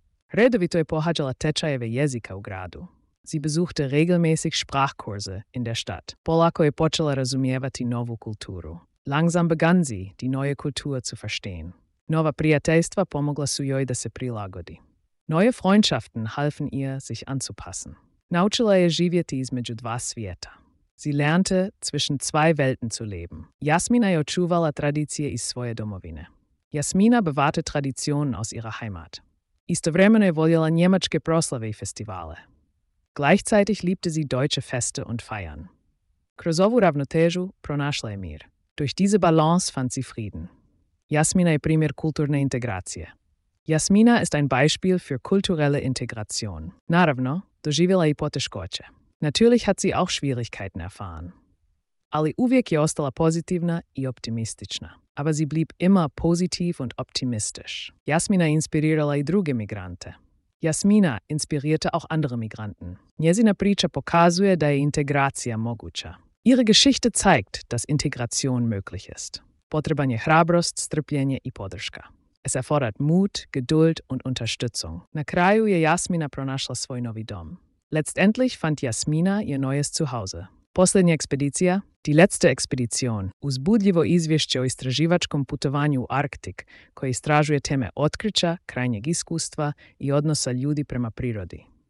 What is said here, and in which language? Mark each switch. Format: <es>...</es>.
<hr>Redovito je pohađala tečajeve jezika u gradu.</hr> <de>Sie besuchte regelmäßig Sprachkurse in der Stadt.</de> <hr>Polako je počela razumijevati novu kulturu.</hr> <de>Langsam begann sie, die neue Kultur zu verstehen.</de> <hr>Nova prijateljstva pomogla su joj da se prilagodi.</hr> <de>Neue Freundschaften halfen ihr, sich anzupassen.</de> <hr>Naučila je živjeti između dva svijeta.</hr> <de>Sie lernte, zwischen zwei Welten zu leben.</de> <hr>Jasmina je očuvala tradicije iz svoje domovine.</hr> <de>Jasmina bewahrte Traditionen aus ihrer Heimat.</de> <hr>Istovremeno je voljela njemačke proslave i festivale.</hr> <de>Gleichzeitig liebte sie deutsche Feste und Feiern.</de> <hr>Kroz ovu ravnotežu pronašla je mir.</hr> <de>Durch diese Balance fand sie Frieden.</de> <hr>Jasmina je primjer kulturne integracije.</hr> <de>Jasmina ist ein Beispiel für kulturelle Integration.</de> <hr>Naravno, doživjela je poteškoće.</hr> <de>Natürlich hat sie auch Schwierigkeiten erfahren.</de> <hr>Ali uvijek je ostala pozitivna i optimistična.</hr> <de>Aber sie blieb immer positiv und optimistisch.</de> <hr>Jasmina inspirirala i druge migrante.</hr> <de>Jasmina inspirierte auch andere Migranten.</de> <hr>Njezina priča pokazuje da je integracija moguća.</hr> <de>Ihre Geschichte zeigt, dass Integration möglich ist.</de> <hr>Potreban je hrabrost, strpljenje i podrška.</hr> <de>Es erfordert Mut, Geduld und Unterstützung.</de> <hr>Na kraju je Jasmina pronašla svoj novi dom.</hr> <de>Letztendlich fand Jasmina ihr neues Zuhause.</de> <hr>Posljednja ekspedicija,</hr> <de>die letzte Expedition,</de> <hr>uzbudljivo izvješće o istraživačkom putovanju u Arktik, koje istražuje teme otkrića, krajnjeg iskustva i odnosa ljudi prema prirodi.</hr>